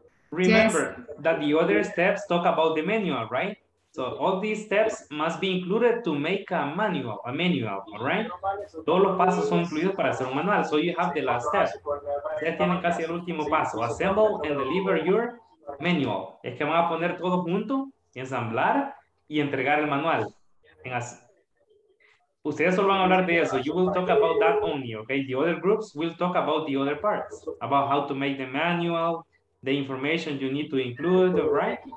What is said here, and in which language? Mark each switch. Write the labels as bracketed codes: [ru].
[en] Remember that the other steps talk about the manual, right? So all these steps must be included to make a manual, all right? [es] Todos los pasos son incluidos para hacer un manual. [en] So you have the last step. [es] Ya tienen casi el último paso. [en] Assemble and deliver your manual. [es] Es que van a poner todo junto, ensamblar y entregar el manual. Ustedes solo van a hablar de eso. [en] You will talk about that only, [es] okay? [en] The other groups will talk about the other parts, about how to make the manual, the information you need to include, right?